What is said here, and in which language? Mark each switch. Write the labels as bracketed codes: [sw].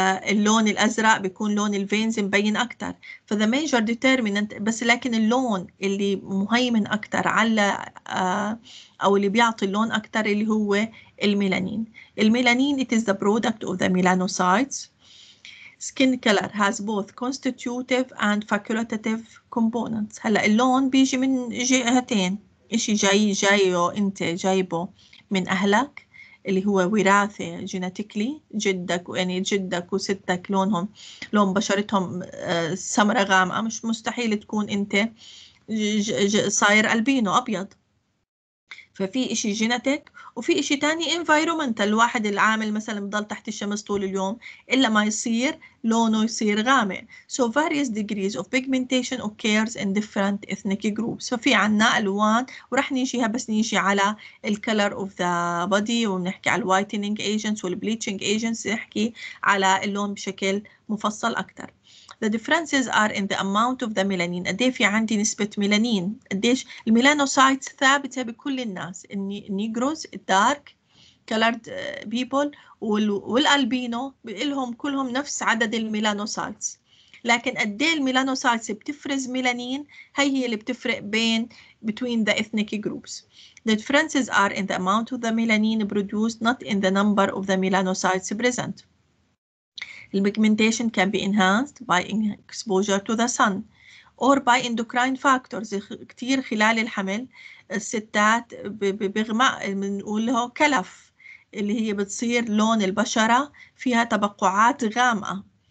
[ar] اللون الأزرق بيكون لون الفينز مبين أكتر. فذا ميجر ديتيرمينانت، بس لكن اللون اللي مهيمن أكتر على أو اللي بيعطي اللون أكتر اللي هو الميلانين. [en] الميلانين it is the product of the melanocytes. Skin color has both constitutive and facultative components. [ar] هلأ اللون بيجي من جهتين، إشي جايه أنت جايبه من أهلك اللي هو وراثة جيناتيكلي، جدك يعني جدك وستك لونهم لون بشرتهم سمرة غامقة، مش مستحيل تكون أنت صاير ألبينو أبيض. ففي إشي جيناتيك وفي إشي تاني انفايرومنتال، الواحد العامل مثلا بضل تحت الشمس طول اليوم إلا ما يصير لونه يصير غامق. [en] So various degrees of pigmentation occurs in different ethnic groups. [ar] ففي عنا ألوان ورح نيجيها، بس نيجي على الكلر [en] of the body [ar] ونحكي على whitening agents والbleaching agents، نحكي على اللون بشكل مفصل أكتر. [en] The differences are in the amount of the melanin. [ar] قد في عندي نسبة ميلانين، قديش الميلانوسايتس ثابتة بكل الناس، النيجروز الدارك كولرد بيبول والألبينو لهم كلهم نفس عدد الميلانوسايتس، لكن قد ايه الميلانوسايتس بتفرز ميلانين هي اللي بتفرق بين [en] between the ethnic groups. The differences are in the amount of the melanin produced, not in the number of the melanocytes present. البيجمنتيشن كان be enhanced by exposure to the sun or by endocrine factors, [ar] كثير خلال الحمل الستات بيغمق بنقول له كلف، اللي هي بتصير لون البشره فيها تبقعات غامقه.